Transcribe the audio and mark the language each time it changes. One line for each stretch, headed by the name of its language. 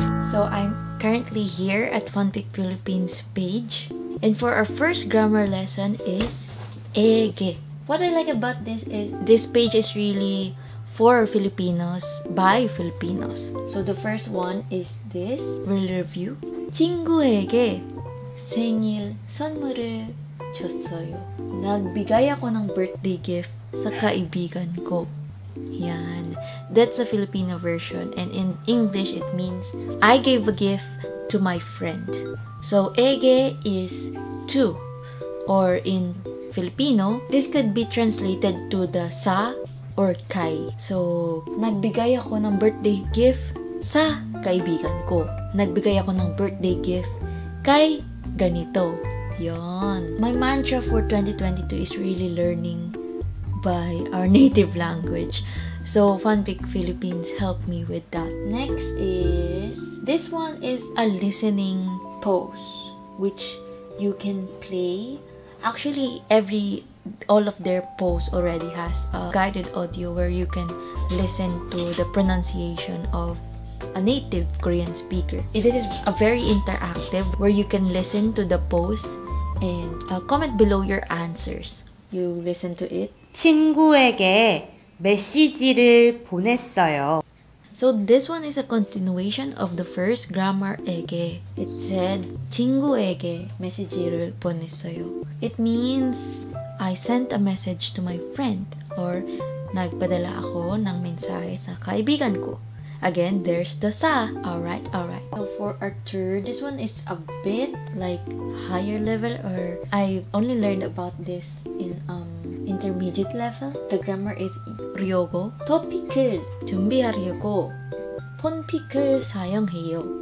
English: So I'm currently here at FunPik Philippines page. And for our first grammar lesson is 에게. What I like about this is this page is really for Filipinos by Filipinos. So the first one is this. We'll review.
Korean: 친구에게 생일 선물을 줬어요.
Filipino: 나뒤가야 ako ng birthday gift sa kaibigan ko. Yan.
English: That's a Filipino version, and in English it means I gave a gift to my friend. So, 에게 is to, or in Filipino, this could be translated to the sa or Kai.
Filipino: So, nagbigay ako ng birthday gift sa kaibigan ko. Nagbigay ako ng birthday gift kay ganito. Yon.
English: My mantra for 2022 is really learning by our native language. So, FunPik Philippines helped me with that. Next is, this one is a listening post, which you can play. Actually, all of their posts already has a guided audio where you can listen to the pronunciation of a native Korean speaker. This is a very interactive where you can listen to the posts and comment below your answers. You listen to it.
Korean: 친구에게 메시지를 보냈어요.
English: So this one is a continuation of the first grammar 에게. It said
Korean: 친구에게 메시지를 보냈어요.
English: It means I sent a message to my friend or
Filipino: nagpadala ako ng mensahe sa kaibigan ko.
English: Again, there's the sa. All right. So for our third, this one is a bit like higher level, or I only learned about this in intermediate level. The grammar is 'ryogo.
Korean: 토픽을 준비하려고 FunPik을 사용해요.